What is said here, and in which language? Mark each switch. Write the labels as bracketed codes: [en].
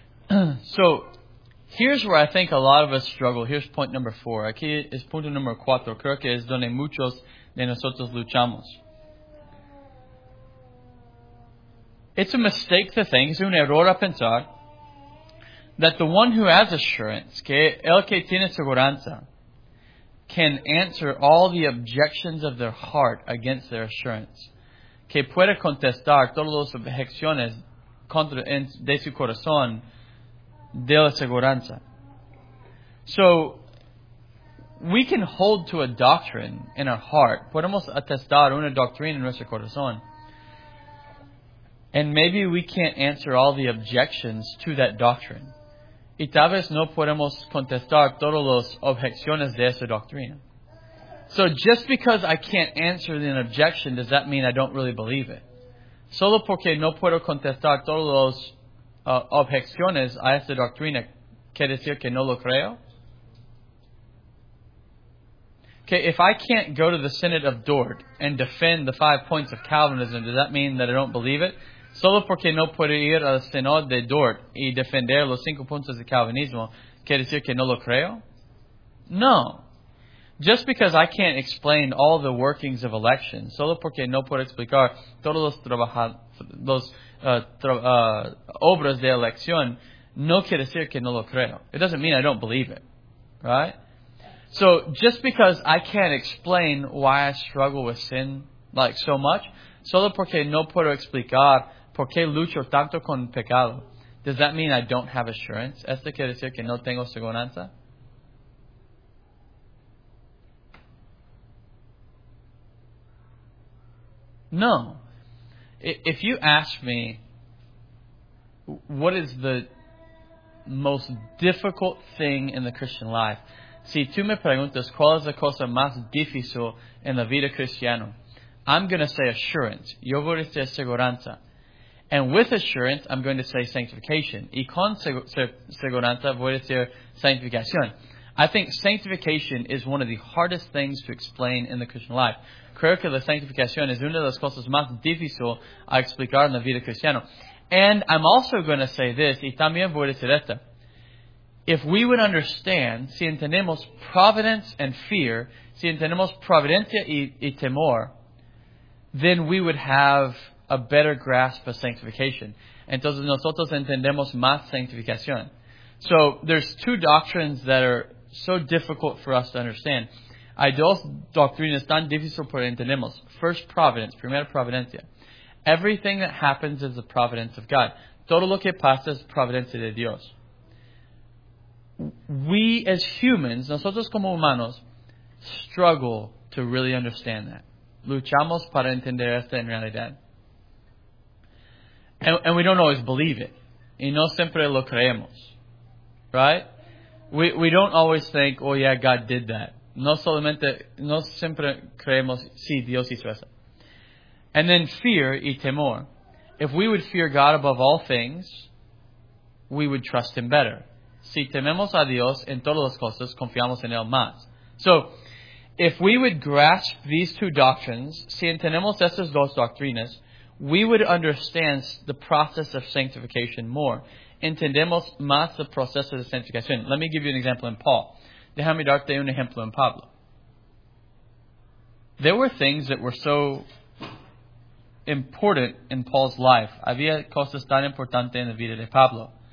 [en] So, here's where I think a lot of us struggle. Here's point number four. [es] Aquí es punto número cuatro. Creo que es donde muchos de nosotros luchamos. [en] It's a mistake to think, [es] es un error a pensar, [en] that the one who has assurance, [es] que el que tiene seguranza, [en] can answer all the objections of their heart against their assurance. [es] Que puede contestar todas las objeciones de su corazón de la seguranza. [en] So, we can hold to a doctrine in our heart. [es] Podemos atestar una doctrina en nuestro corazón. [en] And maybe we can't answer all the objections to that doctrine. [es] Y tal vez no podemos contestar todas las objeciones de esa doctrina. [en] So just because I can't answer an objection, does that mean I don't really believe it? [es] Solo porque no puedo contestar todas las objeciones a esa doctrina, ¿quiere decir que no lo creo? [en] Okay, if I can't go to the Synod of Dort and defend the 5 points of Calvinism, does that mean that I don't believe it? [es] Solo porque no puedo ir al Synod de Dort y defender los 5 puntos de Calvinismo, ¿quiere decir que no lo creo? [en] No. Just because I can't explain all the workings of election, [es] solo porque no puedo explicar todos los obras de elección, no quiere decir que no lo creo. [en] It doesn't mean I don't believe it. Right? So just because I can't explain why I struggle with sin like so much, [es] solo porque no puedo explicar por qué lucho tanto con pecado, [en] does that mean I don't have assurance? [es] ¿Esto quiere decir que no tengo seguridad? [en] No. If you ask me, what is the most difficult thing in the Christian life? [es] Si tú me preguntas, ¿cuál es la cosa más difícil en la vida cristiana? [en] I'm going to say assurance. [es] Yo voy a decir seguranza. [en] And with assurance, I'm going to say sanctification. [es] Y con seguranza, voy a decir sanctificación. [en] I think sanctification is one of the hardest things to explain in the Christian life. [es] Creo que la sanctificación es una de las cosas más difíciles a explicar en la vida cristiana. [en] And I'm also going to say this, [es] y también voy a decir esto. [en] If we would understand, [es] si entendemos [en] providence and fear, [es] si entendemos providencia y temor, [en] then we would have a better grasp of sanctification. [es] Entonces nosotros entendemos más sanctificación. [en] So there's two doctrines that are so difficult for us to understand. [es] Hay dos doctrinas tan difíciles para entendemos. [en] First, providence. [es] Primera, providencia. [en] Everything that happens is the providence of God. [es] Todo lo que pasa es providencia de Dios. [en] We as humans, [es] nosotros como humanos, [en] struggle to really understand that. [es] Luchamos para entender esto en realidad. [en] And we don't always believe it. [es] Y no siempre lo creemos. [en] Right? We don't always think, oh yeah, God did that. [es] No siempre creemos, sí, Dios hizo eso. [en] And then fear [es] y temor. [en] If we would fear God above all things, we would trust Him better. [es] Si tememos a Dios en todas las cosas, confiamos en Él más. [en] So, if we would grasp these two doctrines, [es] si entendemos estas dos doctrinas, [en] we would understand the process of sanctification more. [es] Entendemos más el proceso de sanctificación. [en] Let me give you an example in Paul. [es] Déjame darte un ejemplo en Pablo. [en] There were things that were so important in Paul's life. [es] Había cosas tan importantes en la vida de Pablo.